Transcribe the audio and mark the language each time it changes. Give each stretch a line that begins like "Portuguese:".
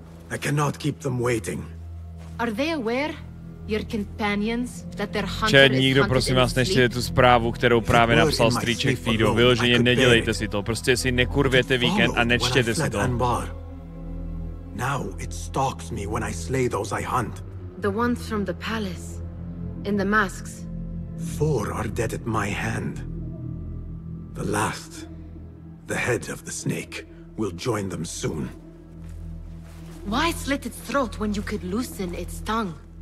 English: I cannot keep them waiting. Are they aware, your companions, that their hunter
Czech: Chad, nikdo, prosím vás, nečtěte tu zprávu, kterou právě napsal strýček Fido. Vyloženě nedělejte si to, prostě si nekurvěte víkend a nečtěte si to.
English: Now it stalks me when I slay those I hunt. The ones from the palace, in the masks. Four are dead at my hand. The last. The head of the snake will join them soon. Why slit its throat when you could loosen its tongue?